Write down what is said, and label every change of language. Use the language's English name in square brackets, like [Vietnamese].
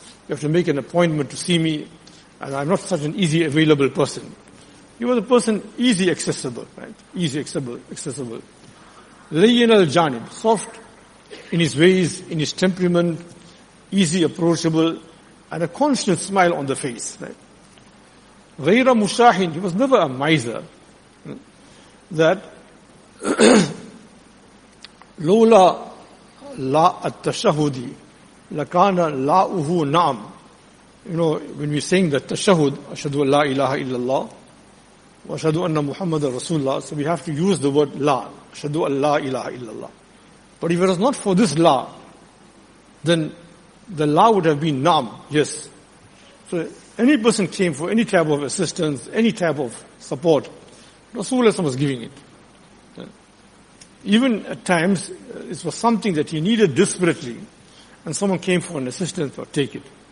[English] You have to make an appointment to see me, and I'm not such an easy available person. He was a person easy accessible, right? Easy accessible. Layyin al-Janib, soft in his ways, in his temperament, easy approachable, and a constant smile on the face, right? [Arabic] غَيْرَ مُشَاحٍ, [English] he was never a miser, that [Arabic] لَوْلَا لَا التَّشَهُدِ لَكَانَ لَاؤُهُ نَعْم. [English] You know, when we saying the tashahud, [Arabic] أَشْهَدُ أَنْ لَا إِلَهَ إِلَّا اللَّهِ وَأَشْهَدُ أَنَّ مُحَمَّدَ رَسُولَ اللَّهِ, [English] so we have to use the word لَا, [Arabic] أَشْهَدُ أَنْ لَا إِلَهَ إِلَّا اللَّهِ. [English] But if it was not for this لَا, then the لَا would have been نَعْم, yes. So any person came for any type of assistance, any type of support, Rasulullah was giving it. Even at times, it was something that he needed desperately, and someone came for an assistance, or take it.